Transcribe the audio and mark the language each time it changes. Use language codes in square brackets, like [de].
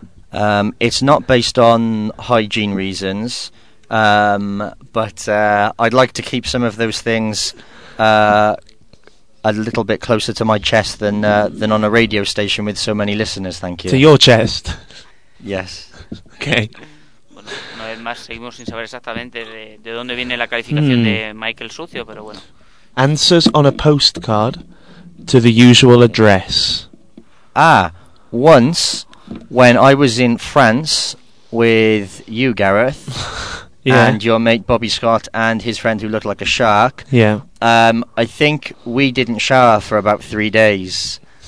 [en] It's not based on hygiene reasons, but I'd like to keep some of those things a little bit closer to my chest than on a radio station with so many listeners, thank you. To your chest? Yes. Okay. [es] Una vez más, seguimos sin saber exactamente de dónde viene la calificación de Michael Sucio, pero bueno. [en] Answers on a postcard to the usual address. Ah, once, when I was in France with you, Gareth, yeah, and your mate Bobby Scott and his friend who looked like a shark, yeah, I think we didn't shower for about 3 days.